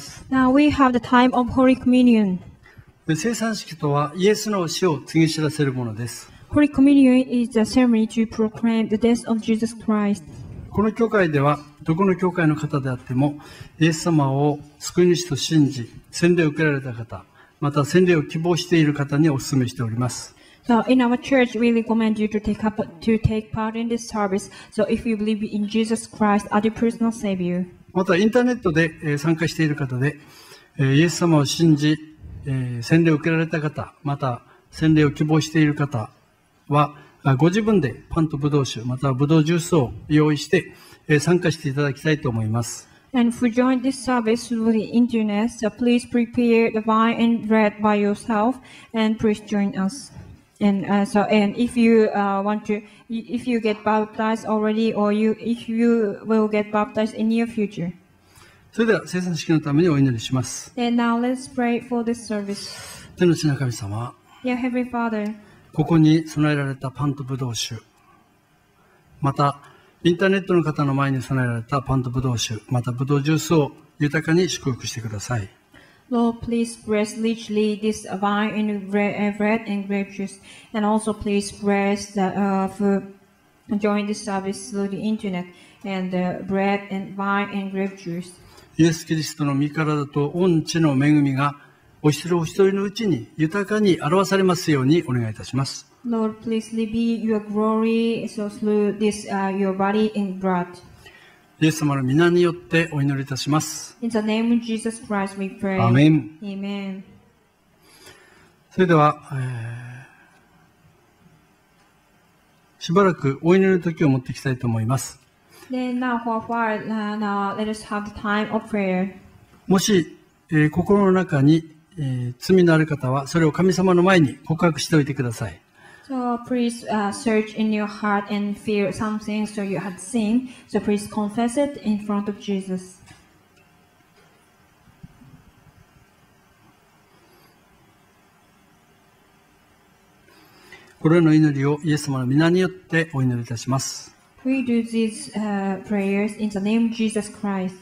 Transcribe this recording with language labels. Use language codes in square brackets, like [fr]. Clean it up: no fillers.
[en] Now we have the time of Holy Communion. [ja] 聖餐式とはイエスの死を告げ知らせるものです。 [en] Holy Communion is the ceremony to proclaim the death of Jesus Christ. [ja] この教会ではどこの教会の方であってもイエス様を救い主と信じ洗礼を受けられた方、また洗礼を希望している方にお勧めしております。 [en] So in our church, we recommend you to take part in this service. So if you believe in Jesus Christ as your personal Savior. [ja] またインターネットで参加している方でイエス様を信じ洗礼を受けられた方、また洗礼を希望している方はご自分でパンとブドウ酒、またはブドウジュースを用意して参加していただきたいと思います。 [en] And if you join this service through the internet, so please prepare the wine and bread by yourself and please join us. And, so, and if you want to, if you get baptized already, or you, if you will get baptized in near future. [ja] それでは聖餐式のためにお祈りします。 [en] And now let's pray for this service. [ja] 天の父なる神様。 [en] Dear Heavenly Father. [ja] ここに備えられたパンとブドウ酒、またインターネットの方の前に備えられたパンとブドウ酒、またブドウジュースを豊かに祝福してください。 [en] Lord, please bless richly this wine and bread and grape juice, and also please bless the for join the service through the internet and the bread and wine and grape juice. [ja] イエス・キリストの御体と御血の恵みがお一人お一人のうちに豊かに表されますようにお願いいたします。 [en] Lord, please let be your glory so through this your body and blood. [ja] イエス様の御名によってお祈りいたします。 [en] In the name of Jesus Christ we pray. Amen. Amen. [ja] それでは、しばらくお祈りの時を持っていきたいと思います。 [en] Then now for a while, now let us have the time of prayer. [ja] もし、心の中に、罪のある方はそれを神様の前に告白しておいてください。 [en] So please search in your heart and feel something so you had sinned. So please confess it in front of Jesus. [ja] これの祈りをイエス様の御名によってお祈りいたします。 [en] We do these prayers in the name of Jesus Christ.